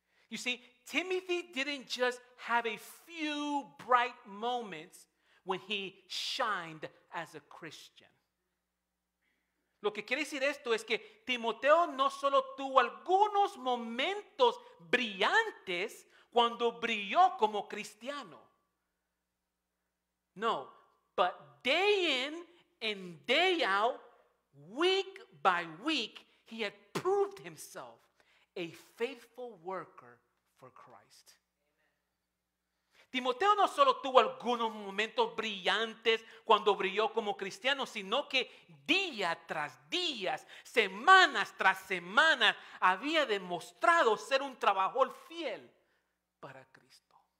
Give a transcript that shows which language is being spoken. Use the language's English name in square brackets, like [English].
[English] You see, Timothy didn't just have a few bright moments when he shined as a Christian. [Spanish] Lo que quiere decir esto es que Timoteo no solo tuvo algunos momentos brillantes cuando brilló como cristiano. [English] No, but day in and day out, week by week, he had proved himself a faithful worker for Christ. [Spanish] Timoteo no solo tuvo algunos momentos brillantes cuando brilló como cristiano, sino que día tras día, semanas tras semanas, había demostrado ser un trabajador fiel para Cristo.